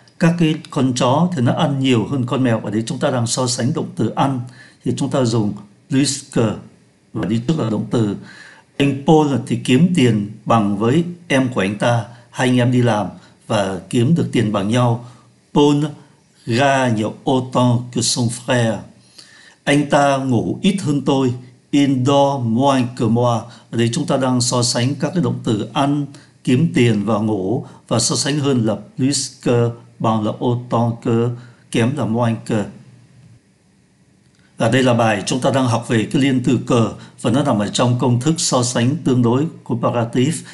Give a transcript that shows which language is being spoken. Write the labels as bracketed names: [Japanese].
[Vietnamese] các cái con chó thì nó ăn nhiều hơn con mèo. Ở đây chúng ta đang so sánh động từ ăn thì chúng ta dùng whisker và đi trước là động từ. Anh Paul thì kiếm tiền bằng với em của anh ta, hai anh em đi làm và kiếm được tiền bằng nhau. [French] Paul gagne autant que son frère. [Vietnamese] Anh ta ngủ ít hơn tôi, [French] il dort moins que moi. [Vietnamese] Ở đây chúng ta đang so sánh các cái động từ ăn, kiếm tiền và ngủ, và so sánh hơn là plus que bằng là autant que, kém là moins que. Và đây là bài chúng ta đang học về cái liên từ que, và nó nằm ở trong công thức so sánh tương đối comparative.